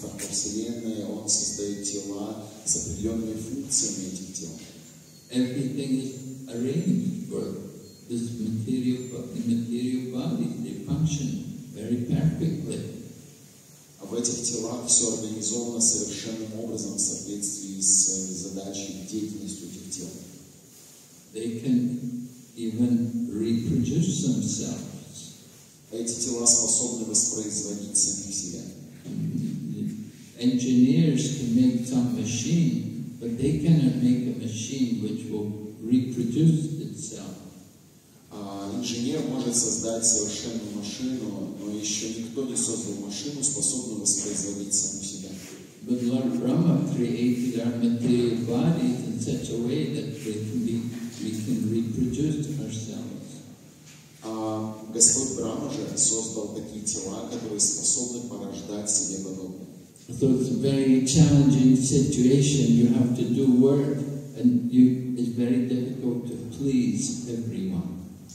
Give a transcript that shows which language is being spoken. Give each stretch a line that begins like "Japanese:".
Russian: Вселенная, Он создает тела с определенными функциями этих тел.
English: Everything is arranged for this material, the material body, they function very perfectly.
Russian: В этих телах все организовано совершенным образом в соответствии с задачей, деятельностью этих тел.
English: They can even reproduce themselves.
Russian: Эти тела способны воспроизводить самих себя.
English: Engineers can make some machine, but they cannot make a machine which will reproduce itself.
Russian: Инженер может создать совершенную машину, но еще никто не создал машину, способную воспроизводить саму себя.
English: But Lord Brahma created our material bodies in such a way that we can reproduce ourselves.
Russian: Господь Брама же создал такие тела, которые способны порождать себе подобных.
English: So it's a very challenging situation. You have to do work, and it's very difficult to please everyone.